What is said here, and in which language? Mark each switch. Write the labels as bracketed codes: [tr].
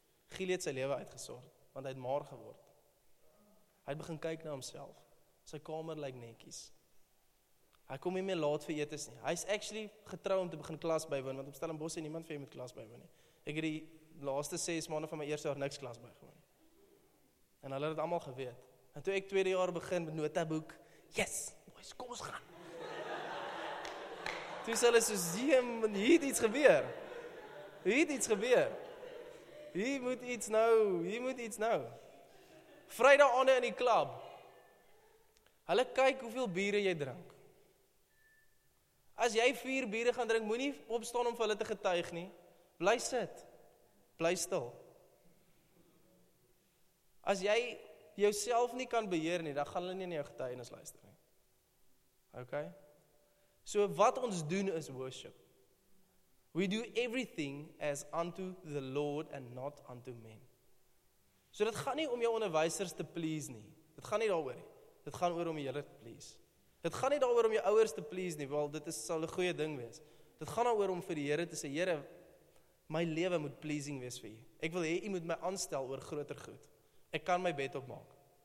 [af] Gilead het sy lewe uitgesort, want hy het maar geword. Hy het begin kyk na homself. Sy kamer lyk netjies. Hy kom nie meer laat vir etes nie. Hy is actually getrou om te begin klas bywoon, want op Stellenbosch het niemand vir hom met klas bywoon nie. Ek het die laaste 6 maande van my eerste jaar niks klas bygewoon nie. En hulle het allemaal geweet. En toe ek tweede jaar begin met notaboek, yes, boys, kom ons gaan. Toe is hulle soos, hier het iets gebeur. Hier het iets gebeur. Hier moet iets nou, hier moet iets nou. Vrydag aand in die klub. Hulle kyk hoeveel biere jy drink. As jy 4 biere gaan drink, moenie opstaan om vir hulle te getuig nie. Bly sit. Bly stil. As jy jouself nie kan beheer nie, dan gaan hulle nie in jou getuienis luister nie. Okay? So wat ons doen is worship. [en] We do everything as unto the Lord and not unto men. [af] So dit gaan nie om jou onderwysers te please nie. Dit gaan nie daaroor nie. Dit gaan oor om die Here te please. Dit gaan nie daaroor om jou ouers te please nie, want dit is sal 'n goeie ding wees. Dit gaan daaroor om vir die Here te sê, Here, my lewe moet pleasing wees vir U. Ek wil hê U moet my aanstel oor groter goed. Ek kan my bed opmaak.